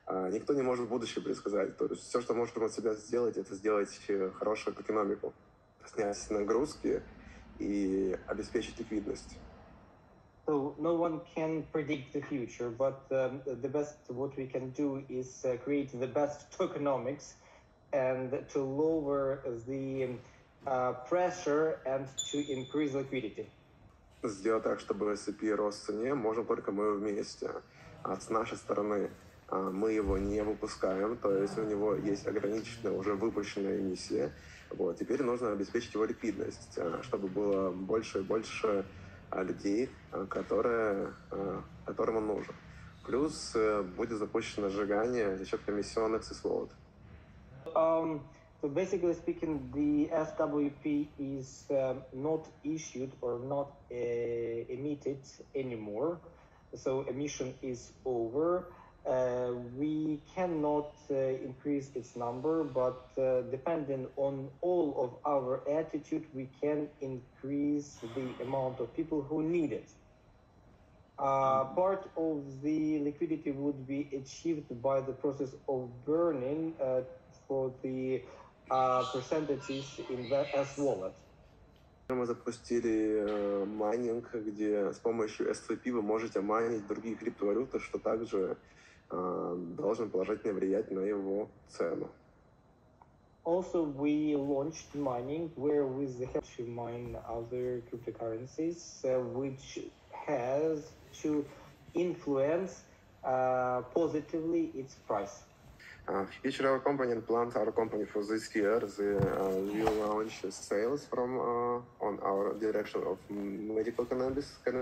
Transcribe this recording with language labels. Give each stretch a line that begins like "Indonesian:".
Russian: Никто не может будущее предсказать. То есть все, что можем от себя сделать, это сделать хорошую экономику, снять нагрузки и обеспечить ликвидность.
English: So no one can predict the future, but the best what we can do is create the best tokenomics and to lower the pressure and to increase liquidity.
Russian: Сделать так, чтобы SCP рос в цене, можем только мы вместе. А с нашей стороны мы его не выпускаем, то есть у него есть ограниченная уже выпущенная эмиссия. Вот. Теперь нужно обеспечить его ликвидность, чтобы было больше и больше людей, которым он нужен. Плюс будет запущено сжигание за счет комиссионных сисволот.
English: So basically speaking, the SWP is not issued or not emitted anymore. So emission is over. We cannot increase its number, but depending on all of our attitude, we can increase the amount of people who need it. Part of the liquidity would be achieved by the process of burning for the percentages in the S-wallet.
Russian: Мы запустили майнинг, где с помощью SWP вы можете майнить другие криптовалюты, что также должен положительно влиять на его цену.
English: Also, we launched mining, where we help to mine other cryptocurrencies, which has to influence positively its price. Future our company and plans our company for this year. We launch sales from on our direction of medical cannabis.